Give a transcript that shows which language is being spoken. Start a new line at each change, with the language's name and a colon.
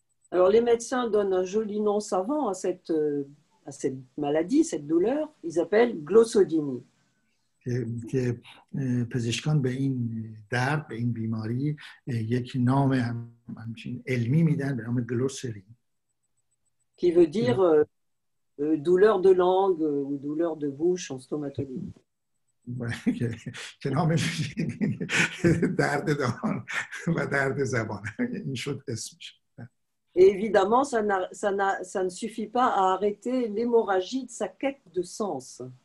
French: Alors les médecins donnent un joli nom savant à cette maladie, cette douleur. Ils appellent glossodynie. Que
Persian: پزشکان به این درد به این بیماری یک نام علمی میدن به نام گلوسری.
French: Qui veut dire douleur de langue ou douleur de bouche en stomatologie. Que
Persian: نامش درد دهان و درد زبان. این شد اسمش.
French: Et évidemment, ça ne suffit pas à arrêter l'hémorragie de sa quête de sens.